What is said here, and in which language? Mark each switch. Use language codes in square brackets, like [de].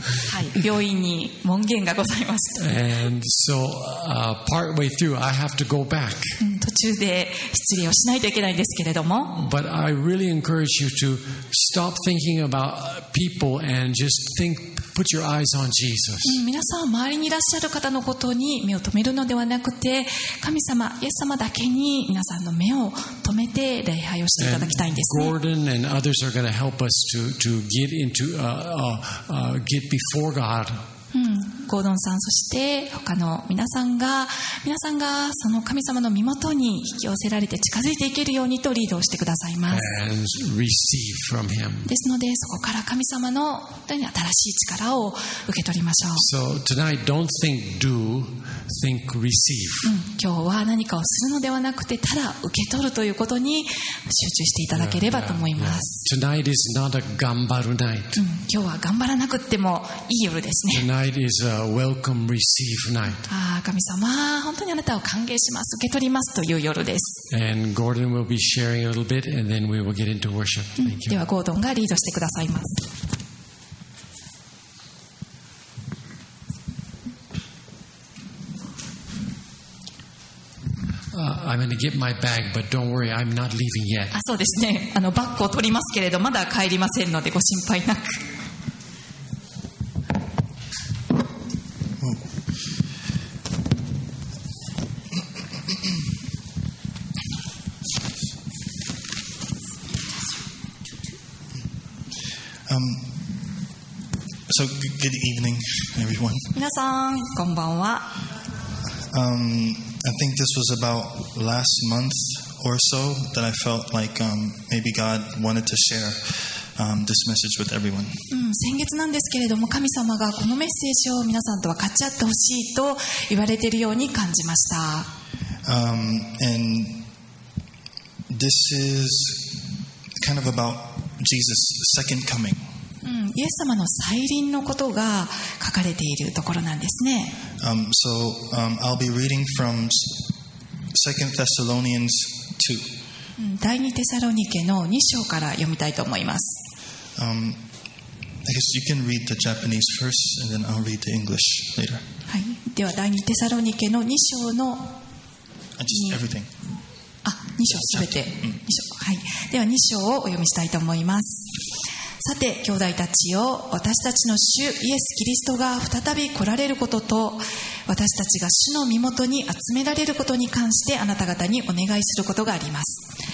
[ja] はい、病院に門限がございます。 [en] And so partway through, I have to go back. [ja] 途中で失礼をしないといけないんですけれども。 [en] But I really encourage you to stop thinking about people and just think. Put your eyes on Jesus. [ja] 皆さん周りにいらっしゃる方のことに目を留めるのではなくて、神様、イエス様だけに皆さんの目を留めて礼拝をしていただきたいんですね。 [en] Gordon and others are going to help us to get into get before God. [ja] ゴードンさん、そして他の皆さんがその神様の身元に引き寄せられて近づいていけるようにとリードをしてくださいます。ですので、そこから神様の本当に新しい力を受け取りましょう。 [en] So tonight, don't think do, think receive. [ja] 今日は何かをするのではなくて、ただ受け取るということに集中していただければと思います。 [en] Tonight is not a 頑張る night. [ja] 今日は頑張らなくてもいい夜ですね。 [en] Tonight is a welcome receive night. [ja] 神様、本当にあなたを歓迎します、受け取りますという夜です。 [en] And Gordon will be sharing a little bit, and then we will get into worship. Thank you. [ja] では、ゴードンがリードしてくださいます。 [en] I'm going to get my bag, but don't worry, I'm not leaving yet. [ja] そうですね。バッグを取りますけれど、まだ帰りませんので、ご心配なく。 [en] So, good evening, everyone. [ja] 皆さん、こんばんは。 [en] I think this was about last month or so that I felt like maybe God wanted to share this message with everyone. [ja] 先月なんですけれども、神様がこのメッセージを皆さんとは分かち合ってほしいと言われているように感じました。 [en] And this is kind of about Jesus' second coming. [ja] イエス様の再臨のことが書かれているところなんですね。 [en] I'll be reading from 2 Thessalonians 2. [ja] 第2テサロニケの2章から読みたいと思います。 [en] I guess you can read the Japanese first, and then I'll read the English later. [ja] はい、では第2テサロニケの2章の [en] just everything. [ja] 2章すべて。2章。はい。では2章をお読みしたいと思います。さて兄弟たちよ、私たちの主イエス・キリストが再び来られることと、私たちが主の身元に集められることに関してあなた方にお願いすることがあります。